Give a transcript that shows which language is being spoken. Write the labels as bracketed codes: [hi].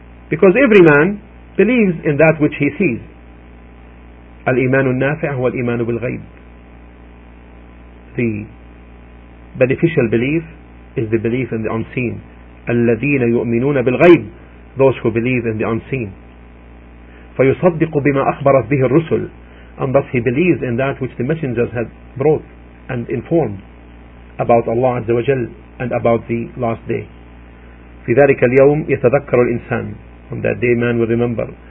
[en] Because every man believes in that which he sees. [ar] الإيمان النافع هو الإيمان بالغيب. [en] The beneficial belief is the belief in the unseen. [ar] الذين يؤمنون بالغيب, [en] those who believe in the unseen. [ar] فيصدق بما أخبرت به الرسل, [en] and thus he believes in that which the messengers had brought and informed about Allah Azza wa Jal and about the last day. [ar] في ذلك اليوم يتذكر الإنسان, [en] on that day man will remember.